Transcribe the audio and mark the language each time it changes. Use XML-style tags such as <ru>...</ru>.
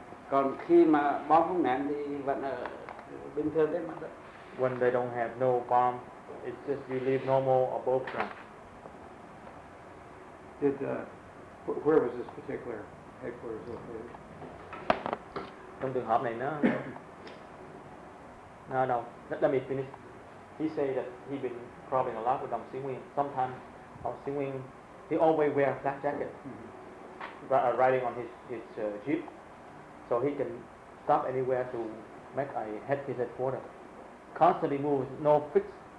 <vi>Còn khi mà bom không ném thì vẫn ở bình thường trên mặt đất.</vi> <en>When they don't have no bomb, it's just you live normal above ground. Did where was this particular headquarters located?</en> <vi>Trong trường hợp này nó đâu?</vi> <en>Let me finish. He say that he been traveling a lot with Đồng Sĩ Nguyên. Sometimes Đồng Sĩ Nguyên he always wear black jacket. Mm-hmm. Riding on his jeep, so he can stop anywhere to make a head his headquarter. Constantly moves, no fixed.</en>